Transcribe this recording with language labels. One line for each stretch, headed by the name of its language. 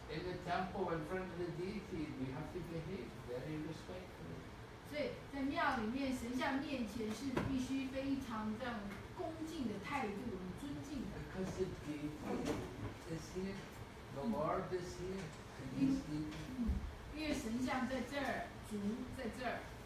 English: In the temple in front of the deity, we have to behave very respectfully.
Chinese: 所以在庙里面神像面前是必须非常这样恭敬的态度，很尊敬的。
English: Because the deity is here, the Lord is here, and he's deity.
Chinese: 因为神像在这儿，主在这儿。